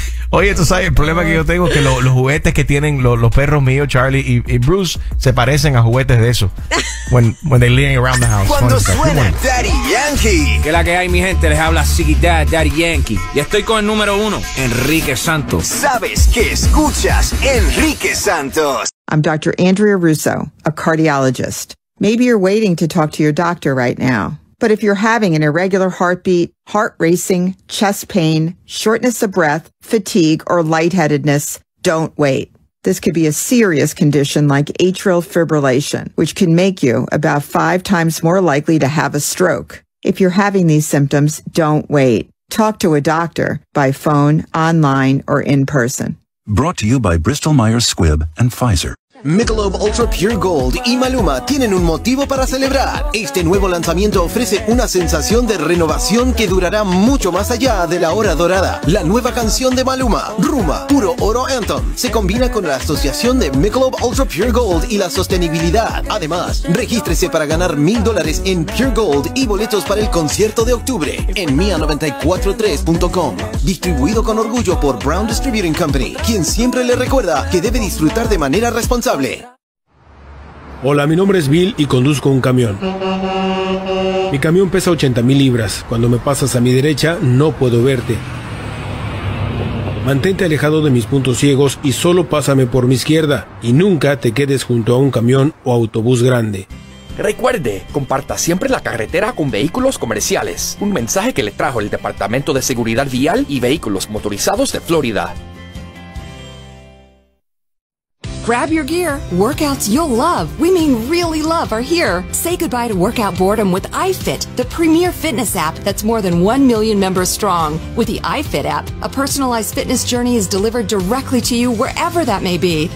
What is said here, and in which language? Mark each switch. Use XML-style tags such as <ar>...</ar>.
<es>Oye, tú sabes, el problema que yo tengo es que los juguetes que tienen los perros míos, Charlie y Bruce, se parecen a juguetes de eso.</es> <en>When they're leaning around the house.</en> <es>Cuando suena Daddy Yankee. Que la que hay, mi gente, les habla Ziggy Dad, Daddy Yankee. Y estoy con el número uno, Enrique Santos. ¿Sabes qué escuchas, Enrique Santos?</es> <en>I'm Dr. Andrea Russo, a cardiologist. Maybe you're waiting to talk to your doctor right now. But if you're having an irregular heartbeat, heart racing, chest pain, shortness of breath, fatigue, or lightheadedness, don't wait. This could be a serious condition like atrial fibrillation, which can make you about 5 times more likely to have a stroke. If you're having these symptoms, don't wait. Talk to a doctor by phone, online, or in person. Brought to you by Bristol-Myers Squibb and Pfizer.</en> <es>Michelob Ultra Pure Gold y Maluma tienen un motivo para celebrar. Este nuevo lanzamiento ofrece una sensación de renovación que durará mucho más allá de la hora dorada. La nueva canción de Maluma, Ruma, puro oro anthem, se combina con la asociación de Michelob Ultra Pure Gold y la sostenibilidad. Además, regístrese para ganar $1,000 en Pure Gold y boletos para el concierto de octubre en mia943.com. Distribuido con orgullo por Brown Distributing Company, quien siempre le recuerda que debe disfrutar de manera responsable. Hola, mi nombre es Bill y conduzco un camión. Mi camión pesa 80,000 libras. Cuando me pasas a mi derecha, no puedo verte. Mantente alejado de mis puntos ciegos y solo pásame por mi izquierda. Y nunca te quedes junto a un camión o autobús grande. Recuerde, comparta siempre la carretera con vehículos comerciales. Un mensaje que le trajo el Departamento de Seguridad Vial y Vehículos Motorizados de Florida.</es> <en>Grab your gear. Workouts you'll love, we mean really love, are here. Say goodbye to workout boredom with iFit, the premier fitness app that's more than 1 million members strong. With the iFit app, a personalized fitness journey is delivered directly to you wherever that may be.</en>